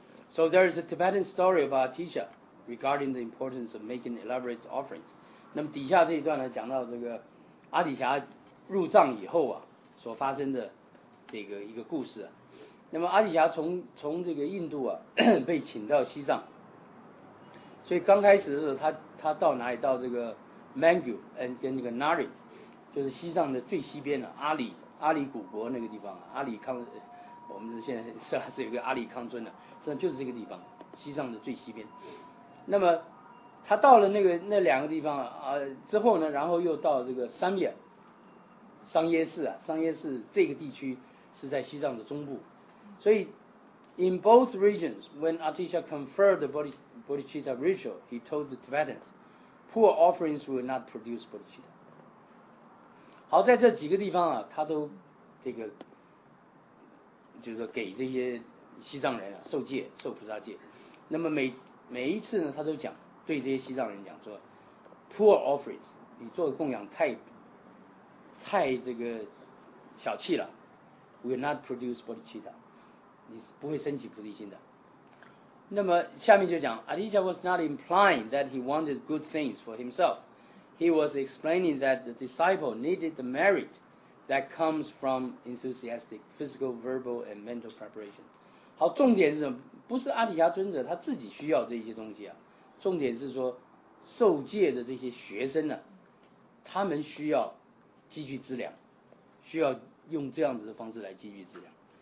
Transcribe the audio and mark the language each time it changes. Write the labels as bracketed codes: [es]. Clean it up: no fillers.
[en] So there is a Tibetan story about Tisha regarding the importance of making elaborate offerings. [zh] 那么底下这一段呢，讲到这个阿底峡入藏以后啊，所发生的这个一个故事、啊。那么阿底峡从这个印度啊被请到西藏，所以刚开始的时候他到哪里？到这个 Mangu 跟那个 Nari， 就是西藏的最西边的、啊、阿里古国那个地方、啊，阿里康。我们现在是还是有个阿里康村的、啊，实际上就是这个地方，西藏的最西边。那么他到了那两个地方啊、之后呢，然后又到这个三叶桑耶寺啊，桑耶寺这个地区是在西藏的中部。所以 [en] ，in both regions, when Atisha conferred the Bodhicitta ritual, he told the Tibetans, "Poor offerings will not produce Bodhicitta." [zh] 好，在这几个地方啊，他都这个。就是说给这些西藏人、啊、受戒受菩萨戒，那么每一次呢，他都讲对这些西藏人讲说 [en] poor offerings， [zh] 你做的供养太这个小气了， [en] will not produce bodhicitta. [zh] 你不会升起菩提心的。那么下面就讲 [en] Aditya was not implying that he wanted good things for himself. He was explaining that the disciple needed the merit that comes from enthusiastic physical, verbal, and mental preparation. [zh] 好，重点是什么？不是阿底峡尊者他自己需要这些东西啊，重点是说受戒的这些学生呢、啊，他们需要积聚资粮，需要用这样子的方式来积聚资粮。